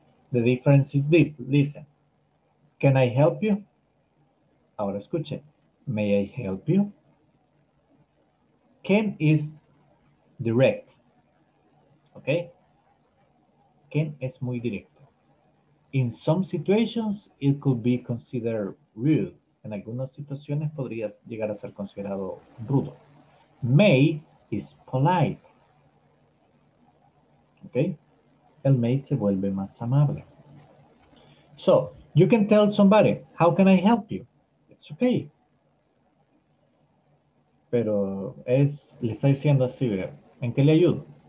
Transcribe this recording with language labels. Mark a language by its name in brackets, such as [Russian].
[English] The difference is this. Listen. Can I help you? [Spanish] Ahora escuche. [English] May I help you? Can is direct. Okay? [Spanish] Can es muy directo. [English] In some situations, it could be considered rude. [Spanish] En algunas situaciones podría llegar a ser considerado rudo. [English] May is polite. [Spanish] Okay? El may se vuelve más amable. [English] So, you can tell somebody, how can I help you? It's okay. [Spanish] Pero es, le está diciendo así, ¿en qué le ayudo?